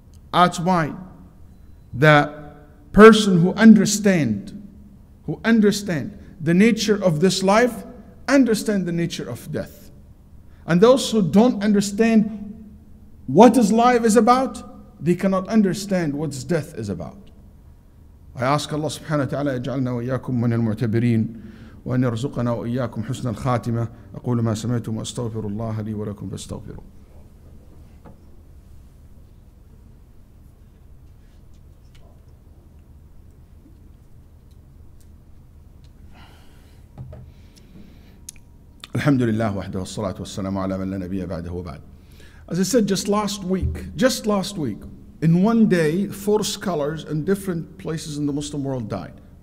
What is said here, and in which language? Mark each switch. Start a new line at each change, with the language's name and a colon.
English: That's why the person who understand the nature of this life, understand the nature of death. And those who don't understand what is life is about, they cannot understand what death is about. I ask Allah subhanahu wa ta'ala,
Arabic: اجعلنا وإياكم من المعتبرين. وأن يرزقنا وإياكم حسن الخاتمة. أقول ما سمعتم وأستغفر الله لي ولكم فاستغفروا. الحمد لله وحده والصلاة والسلام على من لا نبي بعده وبعد.
English: As I said just last week, in one day, four scholars in different places in the Muslim world died.